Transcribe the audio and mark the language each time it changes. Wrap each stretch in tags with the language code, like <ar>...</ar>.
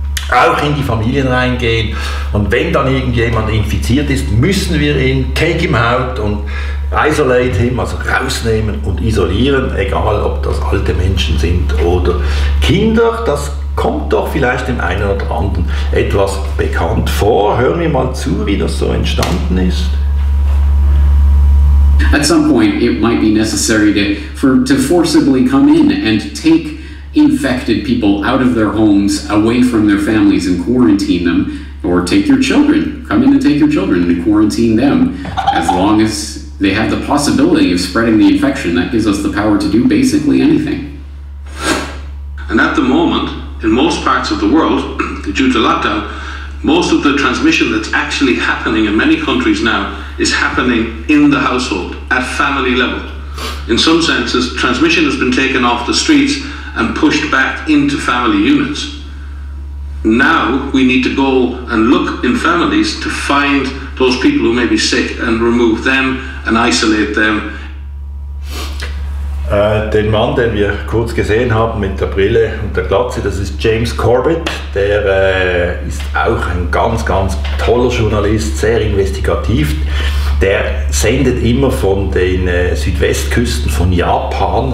<de>auch in die Familien reingehen und wenn dann irgendjemand infiziert ist, müssen wir ihn,</de> <en>take him out</en> <de>und</de> <en>isolate him,</en> <de>also rausnehmen und isolieren, egal ob das alte Menschen sind oder Kinder, das kommt doch vielleicht dem einen oder anderen etwas bekannt vor. Hören wir mal zu, wie das so entstanden ist.</de> <en>At some point it might be necessary to forcibly come in and take infected people out of their homes, away from their families and quarantine them, or take your children, come in and take your children and quarantine them, as long as they have the possibility of spreading the infection, that gives us the power to do basically anything. And at the moment, in most parts of the world, due to lockdown, most of the transmission that's actually happening in many countries now is happening in the household, at family level. In some senses, transmission has been taken off the streets and pushed back into family units. Now we need to go and look in families to find those people who may be sick and remove them and isolate them.</en> <de>Den Mann, den wir kurz gesehen haben mit der Brille und der Glatze, das ist James Corbett. Der ist auch ein ganz, ganz toller Journalist, sehr investigativ. Der sendet immer von den Südwestküsten von Japan.</de>